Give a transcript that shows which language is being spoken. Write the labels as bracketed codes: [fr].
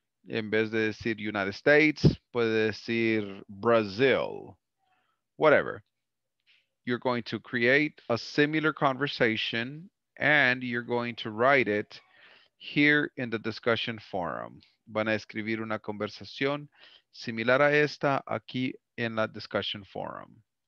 [es] En vez de decir United States, puede decir Brazil, [en] whatever. You're going to create a similar conversation and you're going to write it here in the discussion forum. [es] Van a escribir una conversación similar a esta aquí en la discussion forum.